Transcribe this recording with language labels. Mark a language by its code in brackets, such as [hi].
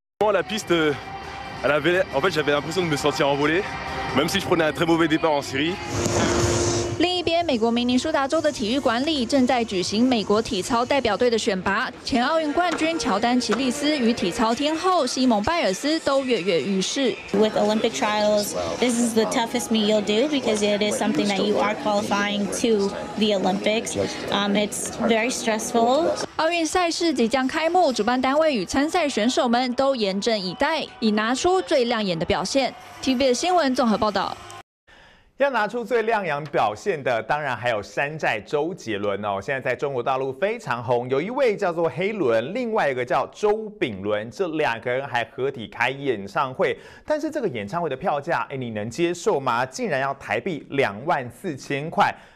[fr] Bon, la piste, elle avait, en fait, j'avais l'impression de me sentir envolé, même si je prenais un très mauvais départ en série. [zh] 另一边，美国明尼苏达州的体育馆里正在举行美国体操代表队的选拔。前奥运冠军乔丹·齐利斯与体操天后西蒙·拜尔斯都跃跃欲试。 [en] With Olympic trials, this is the toughest meet you'll do because it is something that you are qualifying to the Olympics. It's very stressful. [zh] 奥运赛事即将开幕，主办单位与参赛选手们都严阵以待，以拿出最亮眼的表现。TVBS新闻综合报道。要拿出最亮眼表现的，当然还有山寨周杰伦哦。现在在中国大陆非常红，有一位叫做黑伦，另外一个叫周炳伦，这两个人还合体开演唱会。但是这个演唱会的票价，哎，你能接受吗？竟然要台币24000块。